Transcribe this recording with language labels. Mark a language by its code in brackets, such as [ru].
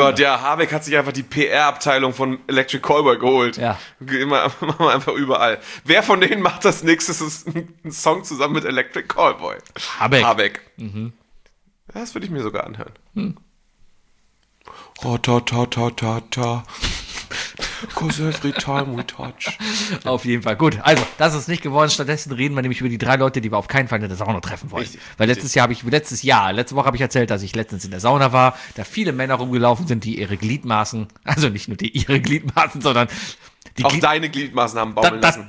[de] Oh Gott, ja, Habeck hat sich einfach die PR-Abteilung von Electric Callboy geholt. Ja. Machen wir einfach überall. Wer von denen macht das nächstes ein Song zusammen mit Electric Callboy? Habeck. Mhm. Das würde ich mir sogar anhören. Hm. Ta ta ta ta ta. [en] Because every time we touch. [de] Auf jeden Fall. Gut, also, das ist nicht geworden. Stattdessen reden wir nämlich über die drei Leute, die wir auf keinen Fall in der Sauna treffen wollen. Richtig. Weil letzte Woche habe ich erzählt, dass ich letztens in der Sauna war, da viele Männer rumgelaufen sind, die ihre Gliedmaßen, also nicht nur ihre Gliedmaßen, sondern die auch deine Gliedmaßen haben baumeln lassen.